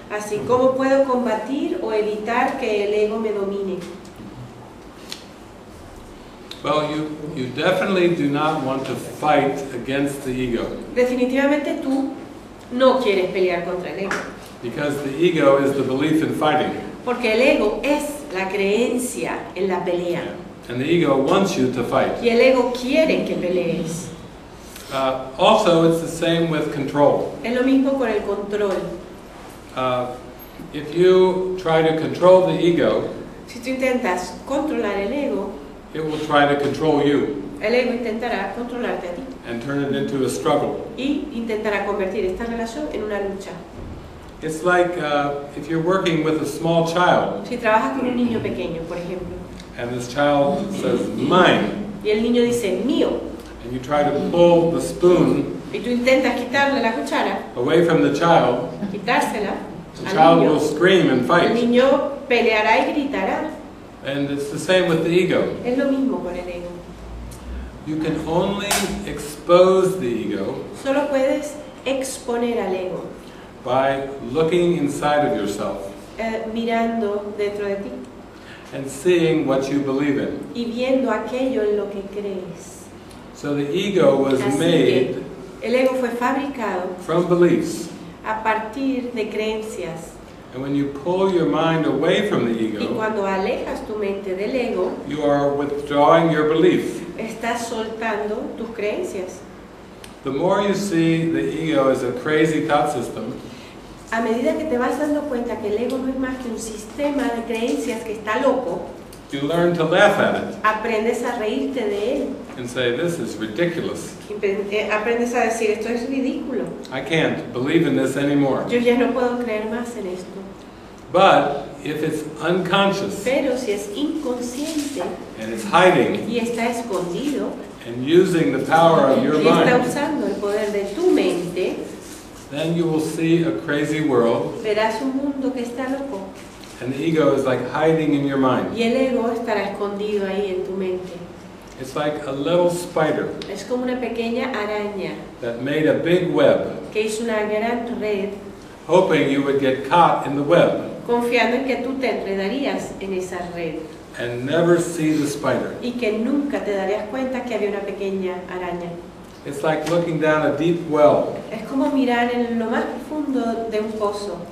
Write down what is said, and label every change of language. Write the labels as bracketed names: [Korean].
[Spanish] Así, ¿cómo puedo combatir o evitar que el ego me domine? [English] Well, you definitely do not want to fight against the ego. [Spanish] Definitivamente tú no quieres pelear contra el ego. [English] Because the ego is the belief in fighting. [Spanish] Porque el ego es la creencia en la pelea. Yeah. [English] And the ego wants you to fight. [Spanish] Y el ego quiere que pelees. [English] Also, it's the same with control. [Spanish] Es lo mismo con el control. [English] If you try to control the ego, [Spanish] si tú intentas controlar el ego, [English] it will try to control you. [Spanish] El ego intentará controlarte a ti. [English] And turn it into a struggle. [Spanish] Y intentará convertir esta relación en una lucha. [English] It's like if you're working with a small child. [Spanish] Si trabajas con un niño pequeño, por ejemplo. [English] And this child says, mine. [Spanish] Y el niño dice, mío. [English] And you try to pull the spoon [Spanish] y tú intentas quitarle la cuchara [English] away from the child, [Spanish] quitársela [English] the child [Spanish] al niño. [English] Will scream and fight. [Spanish] El niño peleará y gritará. [English] And it's the same with the ego. [Spanish] Es lo mismo con el ego. [English] You can only expose the ego. [Spanish] Solo puedes exponer al ego. [English] By looking inside of yourself. [Spanish] Mirando dentro de ti. [English] And seeing what you believe in. [Spanish] Y viendo aquello en lo que crees. [English] So the ego was made. [Spanish] El ego fue fabricado. [English] From beliefs. [Spanish] A partir de creencias. [English] And when you pull your mind away from the ego. [Spanish] Y cuando alejas tu mente del ego. [English] You are withdrawing your belief. [Spanish] Estás soltando tus creencias. [English] The more you see the ego as a crazy thought system. [Spanish] A medida que te vas dando cuenta que el ego no es más que un sistema de creencias que está loco. [English] You learn to laugh at it. [Spanish] Aprendes a reírte de él. [English] And say, this is ridiculous. [Spanish] Aprendes a decir, esto es ridículo. [English] I can't believe in this anymore. [Spanish] Yo ya no puedo creer más en esto. [English] But if it's unconscious. [Spanish] Pero si es inconsciente. [English] And it's hiding. [Spanish] Y está escondido. [English] And using the power of your mind. [Spanish] Y está usando el poder de tu mente. [English] Then you will see a crazy world. [Spanish] Verás un mundo que está loco. [English] And the ego is like hiding in your mind. [Spanish] Y el ego estará escondido ahí en tu mente. [English] It's like a little spider. [Spanish] Es como una pequeña araña. [English] That made a big web. [Spanish] Que hizo una gran red. [English] Hoping you would get caught in the web. [Spanish] Confiando en que tú te enredarías en esa red. [English] And never see the spider. [Spanish] Y que nunca te darías cuenta que había una pequeña araña. [English] It's like looking down a deep well. [Spanish] Es como mirar en lo más profundo de un pozo.